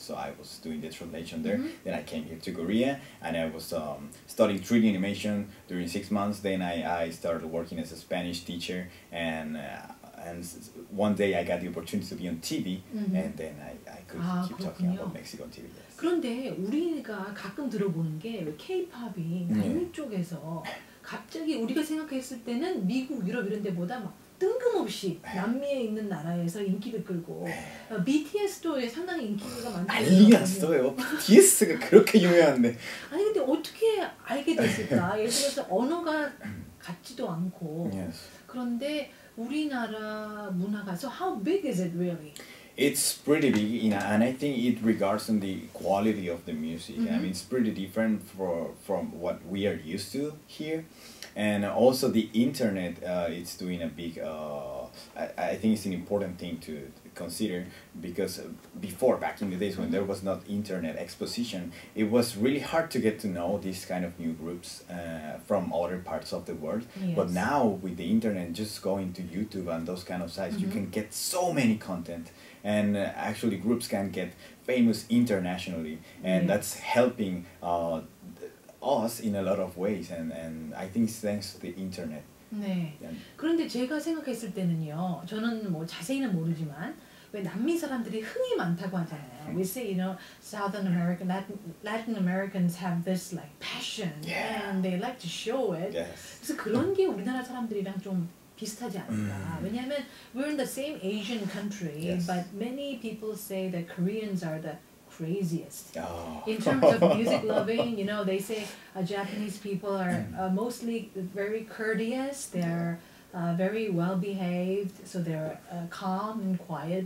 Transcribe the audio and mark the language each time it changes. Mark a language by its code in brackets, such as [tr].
[en] So I was doing the translation there. Mm-hmm. Then I came here to Korea, and I was studying 3D animation during 6 months. Then I started working as a Spanish teacher, and one day I got the opportunity to be on TV, and then I could keep [ko] 그렇군요. [en] Talking about Mexico on TV. Yes. [ko] 그런데 우리가 가끔 들어보는 게 K-pop이 한국 쪽에서 갑자기 우리가 생각했을 때는 미국, 유럽 이런 데보다 막 뜬금없이 남미에 있는 나라에서 인기를 끌고 BTS도 상당히 인기가 많더라고요. 난리 났어요. BTS가 그렇게 유명한데. 아니 근데 어떻게 알게 됐을까? 예를 들어서 언어가 같지도 않고 [en] yes. [ko] 그런데 우리나라 문화가 [en] so how big is it really? It's pretty big, you know, and I think it regards on the quality of the music. Mm-hmm. I mean, it's pretty different from what we are used to here. And also the internet, it's doing a big, I think it's an important thing to consider, because before, back in the days when there was not internet exposition, it was really hard to get to know these kind of new groups from other parts of the world. Yes. But now with the internet, just going to YouTube and those kind of sites, mm-hmm. you can get so many content. And actually groups can get famous internationally, and yes. that's helping us in a lot of ways, and I think it's thanks to the internet. [ko] 네. 그런데 제가 생각했을 때는요, 저는 뭐 자세히는 모르지만 왜 남미 사람들이 흥이 많다고 하잖아요. [en] We say, you know, Southern American, Latin Americans have this like passion, and they like to show it. Yes. [ko] 그래서 그런 게 우리나라 사람들이랑 좀 비슷하지 않을까. 왜냐하면 [en] we're in the same Asian country, yes. but many people say that Koreans are the craziest oh. in terms of music loving. You know, they say Japanese people are mostly very courteous. They're very well behaved, so they're calm and quiet.